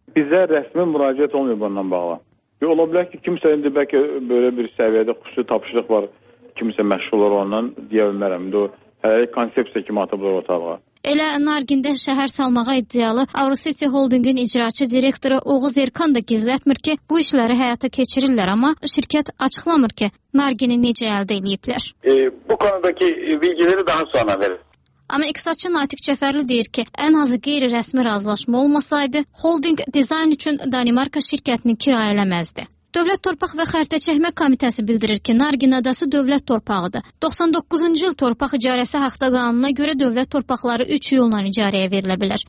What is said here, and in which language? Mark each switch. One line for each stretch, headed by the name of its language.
Azerbaijani: Bizə rəsmi müraciət olmuyor bundan bağlı. Yox, ola bilər ki, kimsə indi bəlkə böyle bir səviyyədə xüsusi tapışlıq var, kimsə məşğullar ondan, deyə bilmərəm. İndi o, hələlik konsepsiya kimi atıblar otağa. Elə Nargində şəhər salmağa iddialı Avrositi Holdingin icraçı direktoru Oğuz Erkan da gizlətmir ki, bu işləri həyata keçirirlər, amma şirkət açıqlamır ki, Nargini necə əldə eləyiblər.
Turkish: Bu konudakı bilgileri daha sonra verir.
Azerbaijani: Amma iqtisadçı Natiq Cəfərli deyir ki, ən azı qeyri-rəsmi razılaşma olmasaydı, holding dizayn üçün Danimarka şirkətini kirayə eləməzdi. Dövlət Torpaq və Xəritəçəkmə Komitəsi bildirir ki, Nargin adası dövlət torpağıdır. 99-cu il torpaq icarəsi haqda qanununa görə dövlət torpaqları 3 yolla icarəyə verilə bilər.